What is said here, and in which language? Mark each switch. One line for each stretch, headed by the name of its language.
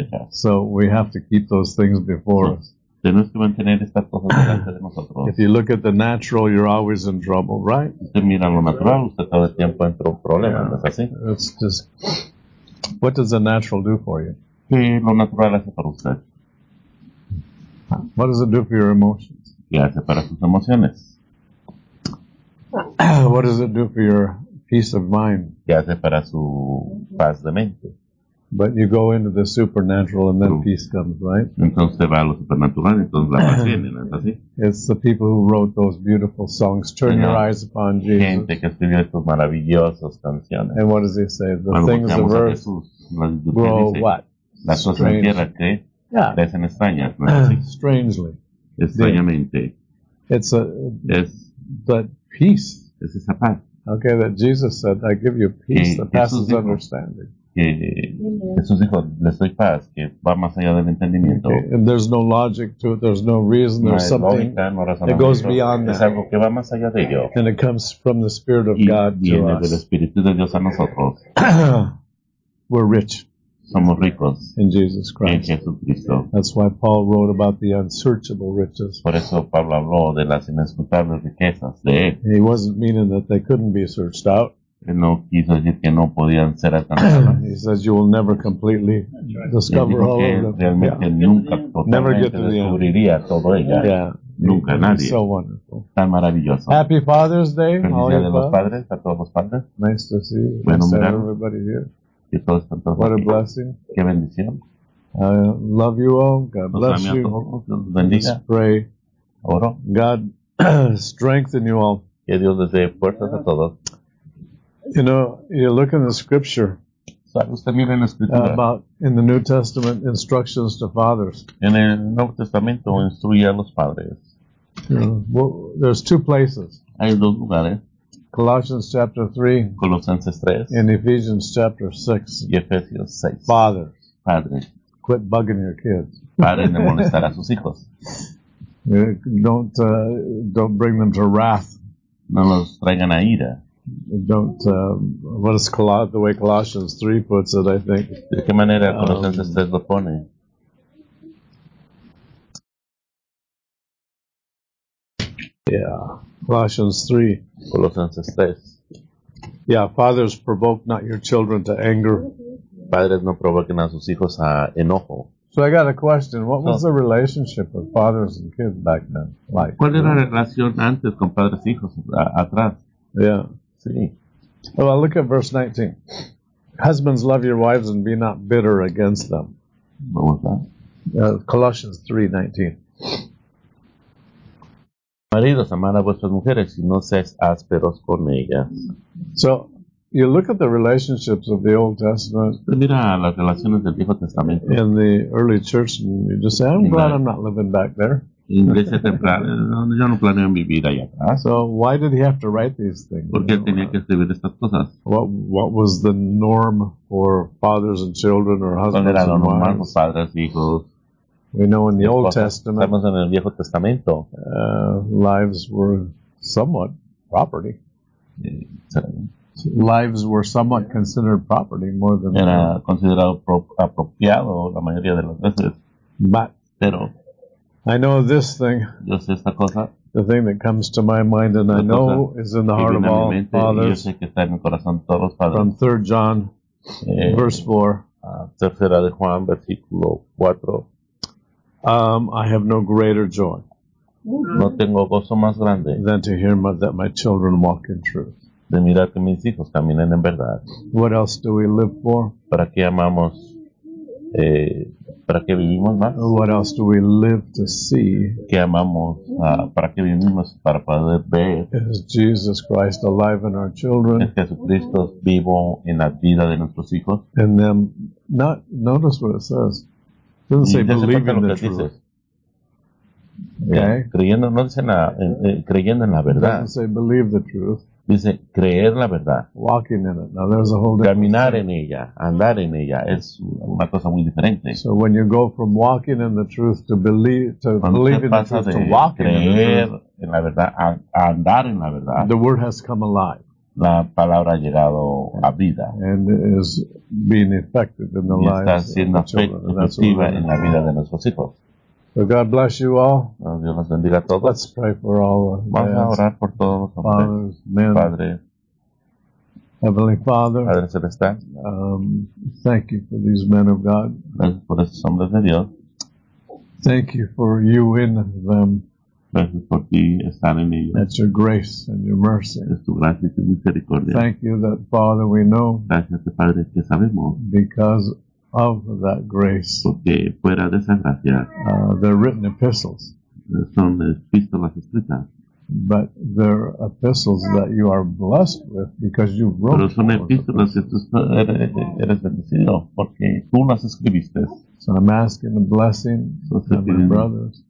English: So we have to keep those things before us.
Spanish: Tenemos que mantener estas cosas delante de nosotros.
English: If you look at the natural, you're always in trouble, right?
Spanish: Si mira lo natural, usted todo el tiempo entra un problema, ¿no es así?
English: It's just, what does the natural do for you?
Spanish: ¿Qué lo natural hace para usted?
English: What does it do for your emotions?
Spanish: ¿Qué hace para sus emociones?
English: What does it do for your peace of mind?
Spanish: ¿Qué hace para su paz de mente?
English: But you go into the supernatural and then peace comes, right?
Spanish: Entonces va a lo supernatural, entonces la paz viene, ¿no es así?
English: It's the people who wrote those beautiful songs, Turn Your Eyes Upon Jesus.
Spanish: Gente que escribió estos maravillosos canciones.
English: And what does he say? The things of earth grow what?
Spanish: Las cosas en tierra que crecen extrañas, ¿no es así?
English: Strangely.
Spanish: Extrañamente.
English: It's a,
Spanish: es,
English: but peace.
Spanish: Es esa paz.
English: Okay, that Jesus said, I give you peace that passes understanding.
Spanish: Que Jesús dijo, les doy paz, que va más allá del entendimiento.
English: Okay. And there's no logic to it, there's no reason, there's no something that goes beyond that.
Spanish: Es algo que va más allá de ello.
English: And it comes from the Spirit of God to us.
Spanish: Y viene del Espíritu de Dios a nosotros.
English: We're rich.
Spanish: Somos ricos.
English: In Jesus Christ.
Spanish: En Jesucristo.
English: That's why Paul wrote about the unsearchable riches.
Spanish: Por eso Pablo habló de las inescrutables riquezas de él.
English: He wasn't meaning that they couldn't be searched out.
Spanish: No quiso decir que no podían ser alcanzadas.
English: He says you will never completely discover all of them.
Spanish: Realmente
English: yeah.
Spanish: Nunca totalmente descubriría todo ella.
English: Yeah.
Spanish: Nunca nadie.
English: So wonderful.
Spanish: Tan maravilloso.
English: Happy Father's Day.
Spanish: Feliz día de los padres a todos los padres.
English: Nice to see.
Spanish: Bueno, mirar.
English: Everybody here.
Spanish: Y todos están todos.
English: What
Spanish: aquí.
English: A blessing.
Spanish: Qué bendición.
English: I love you all. God bless you.
Spanish: Todos. Bendiga.
English: Let's pray.
Spanish: Oro.
English: God strengthen you all.
Spanish: Que Dios les dé fuerzas a todos.
English: You know, you look in the scripture about in the New Testament instructions to fathers.
Spanish: En el Nuevo Testamento instruye a los padres.
English: Well, there's two places.
Spanish: Hay dos lugares.
English: Colossians chapter 3.
Spanish: Colosenses 3.
English: And Ephesians chapter 6.
Spanish: Y Efesios 6.
English: Fathers.
Spanish: Padres.
English: Quit bugging your kids.
Spanish: Paren de molestar a sus hijos.
English: Don't bring them to wrath.
Spanish: No los traigan a ira.
English: Don't, what is the way Colossians 3 puts it, I think.
Spanish: ¿De qué manera Colosenses 3 lo pone?
English: Yeah, Colossians 3.
Spanish: Colosenses 3.
English: Yeah, fathers, provoke not your children to anger.
Spanish: Padres, no provoquen a sus hijos a enojo.
English: So I got a question. What was the relationship of fathers and kids back then like?
Spanish: ¿Cuál era la relación antes con padres y hijos atrás?
English: Yeah. Well, look at verse 19. Husbands, love your wives and be not bitter against them. What was that? Colossians 3:19.
Spanish: Maridos, amad a vuestras mujeres y no seáis ásperos con ellas.
English: So, you look at the relationships of the Old Testament.
Spanish: Mira las relaciones del Viejo Testamento.
English: In the early church, and you just say, I'm glad I'm not living back there.
Spanish: iglesia temprana, donde ya no planean vivir allá atrás.
English: So why did he have to write these things?
Spanish: ¿Por qué tenía que escribir estas cosas?
English: What was the norm for fathers and children or husbands and wives?
Spanish: ¿Cuál era lo normal para padres, hijos?
English: We know in the Old Testament,
Spanish: estamos en el Viejo Testamento,
English: lives were somewhat property. Lives were somewhat considered property more than
Spanish: era considerado apropiado la mayoría de las veces.
English: But
Spanish: pero
English: I know this thing.
Spanish: Yo sé esta cosa.
English: The thing that comes to my mind and I know is in the heart of all fathers.
Spanish: Yo sé que está en el corazón de todos los padres.
English: From 3 John, verse 4.
Spanish: Tercera de Juan, versículo 4.
English: I have no greater joy.
Spanish: No tengo gozo más grande.
English: Than to hear that my children walk in truth.
Spanish: De mirar que mis hijos caminen en verdad.
English: What else do we live for?
Spanish: ¿Para qué amamos? ¿Para qué vivimos más?
English: What else do we live to see?
Spanish: ¿Qué amamos? ¿Para qué vivimos? Para poder ver.
English: Is Jesus Christ alive in our children?
Spanish: ¿Es Jesucristo vivo en la vida de nuestros hijos?
English: And then, not notice what it says. It doesn't say believe in the truth. Okay.
Spanish: Creyendo, no dice nada, creyendo en la verdad.
English: It doesn't say believe the truth.
Spanish: Dice, creer la verdad.
English: Walking in it. Now, there's a whole difference.
Spanish: Caminar en ella, andar en ella, es una cosa muy diferente.
English: So when you go from walking in the truth to believe, to
Spanish: cuando
English: believe in the truth, to walking in the truth,
Spanish: en la verdad, a andar en la verdad,
English: the word has come alive.
Spanish: La palabra ha llegado a vida.
English: And is being effective in the lives of the children.
Spanish: Y está siendo efectiva en la vida de nuestros hijos.
English: So God bless you all.
Spanish: Dios los bendiga a todos.
English: Let's pray for all
Spanish: vamos a orar por todos los
English: fathers,
Spanish: hombres, Padre.
English: Heavenly Father,
Spanish: Padre Celestial,
English: thank you for these men of God.
Spanish: Gracias por esos hombres de Dios.
English: Thank you for you in them.
Spanish: Gracias por ti están en ellos.
English: That's your grace and your mercy.
Spanish: Es tu gracia y tu misericordia.
English: Thank you that Father we know.
Spanish: Gracias Padre que sabemos.
English: Because of that grace.
Spanish: Porque fuera de esa gracia.
English: They're written epistles.
Spanish: Son epístolas escritas.
English: But they're epistles that you are blessed with because you wrote.
Spanish: Pero son epístolas que tú eres bendecido porque tú las escribiste.
English: So I'm asking a blessing on my brothers.